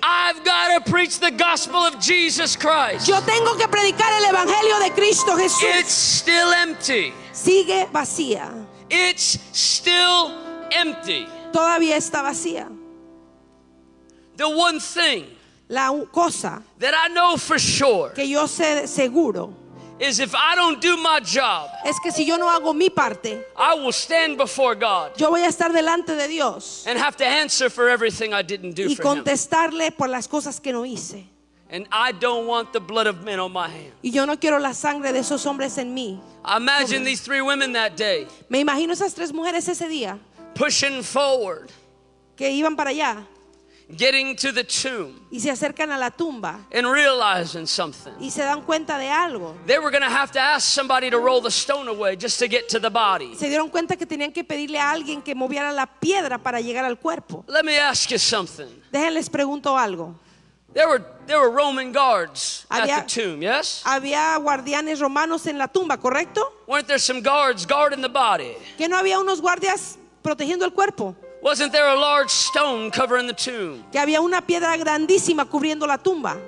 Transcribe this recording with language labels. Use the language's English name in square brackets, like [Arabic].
[English] I've got to preach the gospel of Jesus Christ. [Spanish] Yo tengo que predicar el evangelio de Cristo Jesús. [English] It's still empty. [Spanish] Sigue vacía. [English] It's still empty. [Spanish] Todavía está vacía. [English] The one thing [Spanish] La cosa [English] that I know for sure [Spanish] que yo sé seguro [English] is if I don't do my job, [Spanish] es que si yo no hago mi parte, [English] I will stand before God. [Spanish] Yo voy a estar delante de Dios [English] and have to answer for everything I didn't do [Spanish] y contestarle por las cosas que no hice. [English] And I don't want the blood of men on my hands. [Spanish] Y yo no quiero la sangre de esos hombres en mí. [English] I imagine these three women that day. [Spanish] Me imagino esas tres mujeres ese día. [English] Pushing forward. [Spanish] Que iban para allá. [English] Getting to the tomb. [Spanish] Y se acercan a la tumba. [English] And realizing something. [Spanish] Y se dan cuenta de algo. [English] They were going to have to ask somebody to roll the stone away just to get to the body. [Spanish] Se dieron cuenta que tenían que pedirle a alguien que moviera la piedra para llegar al cuerpo. [English] Let me ask you something. [Spanish] Déjenles pregunto algo. [English] There were Roman guards at the tomb, yes? [Spanish] Había guardianes romanos en la tumba, ¿correcto? [English] Weren't there some guards guarding the body? [Spanish] ¿Que no había unos guardias protegiendo el cuerpo? [English] Wasn't there a large stone covering the tomb? [Spanish] Que había una piedra grandísima cubriendo la tumba.